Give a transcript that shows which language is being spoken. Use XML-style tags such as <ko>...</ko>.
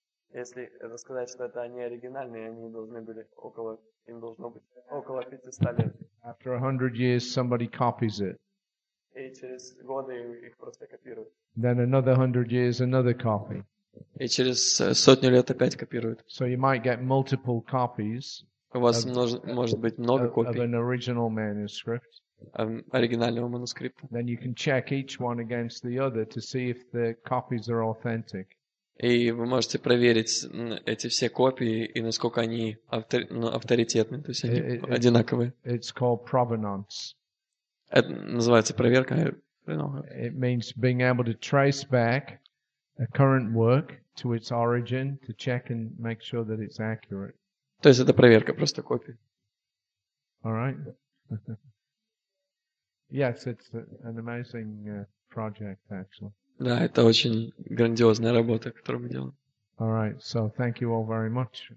<ru>Если это сказать, что это они оригинальные, они должны были около, им должно быть около 500 лет.</ru> <en>After 100 years, somebody copies it.</en> <ru>И через годы их просто копируют.</ru> <en>Then another 100 years, another copy.</en> <ru>И через сотню лет опять копируют.</ru> <en>So you might get multiple copies.</en> <ru>У вас может быть много копий.</ru> <en>Of an original manuscript.</en> <ru>Оригинального манускрипта.</ru> <en>Then you can check each one against the other to see if the copies are authentic.</en> <ru>И вы можете проверить эти все копии и насколько они авторитетны, то есть они одинаковые.</ru> <en>It's called provenance.</en> <ru>Это называется проверка.</ru> <en>It means being able to trace back a current work to its origin to check and make sure that it's accurate.</en> <ru>То есть это проверка просто копии.</ru> <en>All right. Yes, it's an amazing project actually.</en> <ru>Да, это очень грандиозная работа, которую мы делаем.</ru> <en>All right, so thank you all very much.</en>